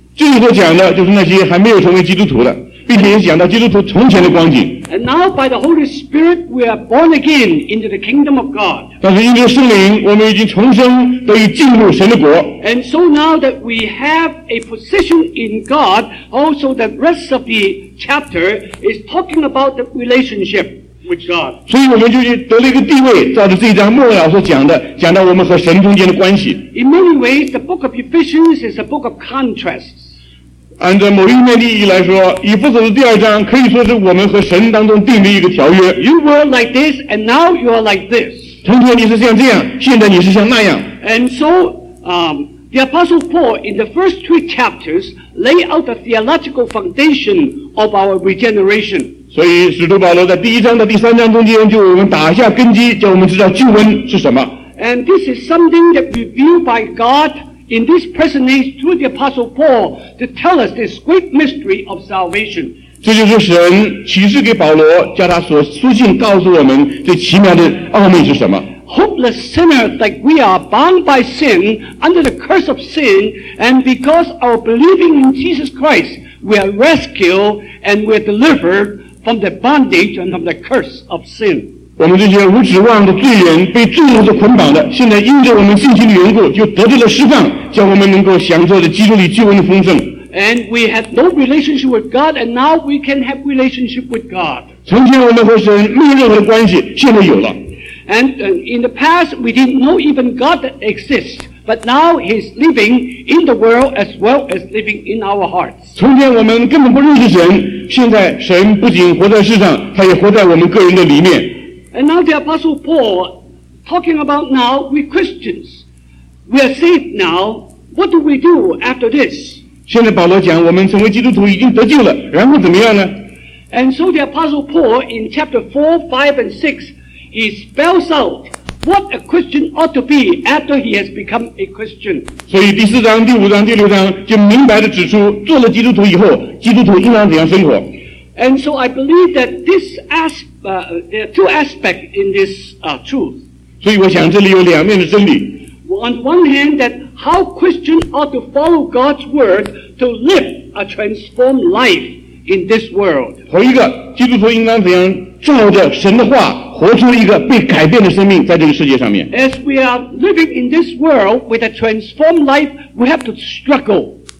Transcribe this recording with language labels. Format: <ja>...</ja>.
<zh>这里所讲的就是那些还没有成为基督徒的。并且也讲到基督徒从前的光景。</zh> <en>And now by the Holy Spirit we are born again into the kingdom of God.</en> <zh>但是因着圣灵，我们已经重生，得以进入神的国。</zh> <en>And so now that we have a position in God, also the rest of the chapter is talking about the relationship with God.</en> <zh>所以我们就得了一个地位，照着这一章末了所讲的，讲到我们和神中间的关系。</zh> <en>In many ways, the book of Ephesians is a book of contrasts.</en> <zh>按照某一面利益来说，以弗所的第二章可以说是我们和神当中订立一个条约。</zh> <en>You were like this, and now you are like this.</en> <zh>从前你是像这样，现在你是像那样。</zh> <en>And so, the Apostle Paul in the first three chapters lay out the theological foundation of our regeneration.</en> <zh>所以使徒保罗在第一章到第三章中间就我们打下根基，叫我们知道救恩是什么。</zh> <en>And this is something that we view by God. In this present age, through the Apostle Paul, to tell us this great mystery of salvation.</en> <zh>这就是神启示给保罗，叫他所书信告诉我们这奇妙的奥秘是什么。</zh> <en>Hopeless sinners like we are, bound by sin, under the curse of sin, and because of believing in Jesus Christ, we are rescued and we are delivered from the bondage and from the curse of sin.</en> <zh>我们这些无指望的罪人，被罪恶所捆绑的，现在因着我们信心的缘故，就得到了释放，叫我们能够享受着基督里救恩的丰盛。</zh> <en>And we had no relationship with God, and now we can have relationship with God.</en> <zh>从前我们和神没有任何的关系，现在有了。</zh> <en>And in the past we didn't know even God exists, but now He's living in the world as well as living in our hearts.</en> <zh>从前我们根本不认识神，现在神不仅活在世上，他也活在我们个人的里面。</zh> <en>And now the Apostle Paul, talking about now, we Christians, we are saved now, what do we do after this?</en> <zh>现在保罗讲我们成为基督徒已经得救了，然后怎么样呢？</zh> <en>And so the Apostle Paul in chapter 4, 5 and 6, he spells out what a Christian ought to be after he has become a Christian.</en> <zh>所以第四章、第五章、第六章就明白的指出，做了基督徒以后，基督徒应当怎样生活。</zh> <en>And so I believe that this there are two aspects in this truth.</en> <zh>所以我想这里有两面的真理。</zh> <en>On one hand, that how Christian ought to follow God's word to live a transformed life in this world.</en> <zh>头一个，基督徒应当怎样照着神的话，活出一个被改变的生命，在这个世界上面。</zh> <en>As we are living in this world with a transformed life, we have to struggle.</en>